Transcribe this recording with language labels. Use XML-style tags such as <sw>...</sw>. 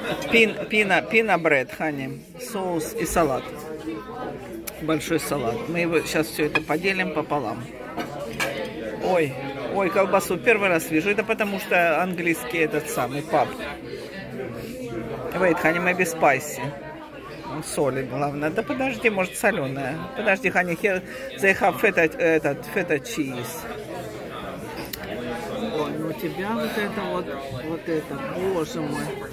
<en>Pina bread, honey.</en> <ru>Соус и салат. Большой салат. Мы его сейчас все это поделим пополам. Ой, колбасу. Первый раз вижу. Это потому что английский этот самый паб.</ru> <en>Wait, honey, maybe spicy.</en> <ru>Соли, главное. Да подожди, может соленая. Подожди,</ru> <en>honey, here they have feta cheese.</en> <ru>Ой, у тебя вот это, боже мой.</ru>